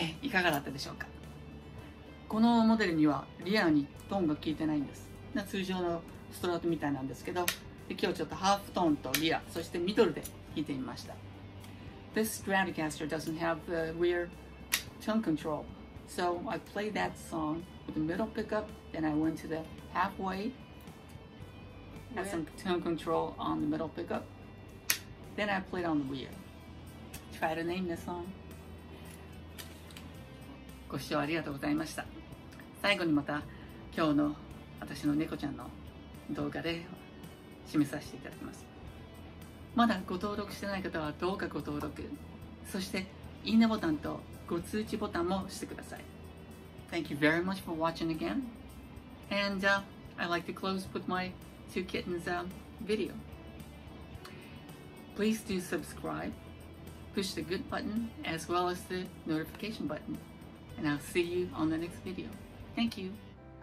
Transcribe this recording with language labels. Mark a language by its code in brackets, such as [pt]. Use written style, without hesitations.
[ja] かがだったでしょうか。このモデルにはリアにトーンが効いてないんです。通常のストラートみたいなんですけど、で今日ちょっとハーフトーンとリア、そしてミドルで弾いてみました。 [en] This Stratocaster doesn't have a rear tone control, so I played that song with the middle pickup, then I went to the halfway, had some tone control on the middle pickup, then I played on the rear. Try to name the song. [ja] ご視聴ありがとうございました。最後にまた今日の私の猫ちゃんの動画で締めさせていただきます。まだご登録してない方はどうかご登録、そしていいねボタンとご通知ボタンもしてください。 [en] Thank you very much for watching again. And I'd like to close with my two kittens video. Please do subscribe, push the good button as well as the notification button. And I'll see you on the next video. Thank you.